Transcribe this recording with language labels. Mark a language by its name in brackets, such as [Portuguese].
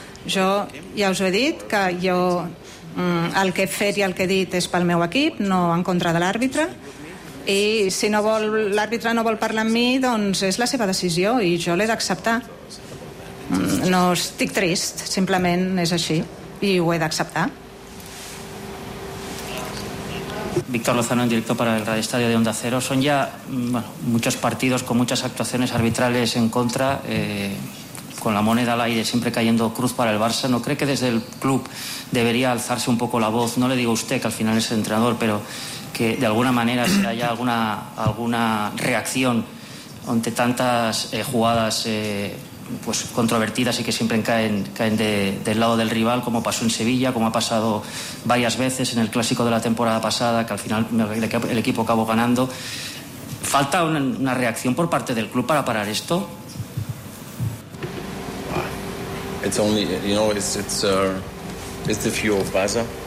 [Catalan] Jo ja us ho he dit, que jo el que he fet i el que he dit és pel meu equip, no en contra de l'àrbitre. I si no vol, l'àrbitre no vol parlar amb mi, doncs és la seva decisió i jo l'he d'acceptar. No estic trist, simplement és així i ho he d'acceptar. [Spanish] Víctor Lozano, en directo para el Radio Estadio de Onda Cero. Son ya, bueno, muchos partidos con muchas actuaciones arbitrales en contra, con la moneda al aire, siempre cayendo cruz para el Barça. ¿No cree que desde el club debería alzarse un poco la voz? No le digo a usted, que al final es el entrenador, pero que de alguna manera si haya alguna reacción ante tantas jugadas pues controvertidas y que siempre caen del lado del rival, como pasó en Sevilla, como ha pasado varias veces en el clásico de la temporada pasada, que al final el equipo acabó ganando. ¿Falta una reacción por parte del club para parar esto? [English] It's only, you know, it's the fuel of Barça.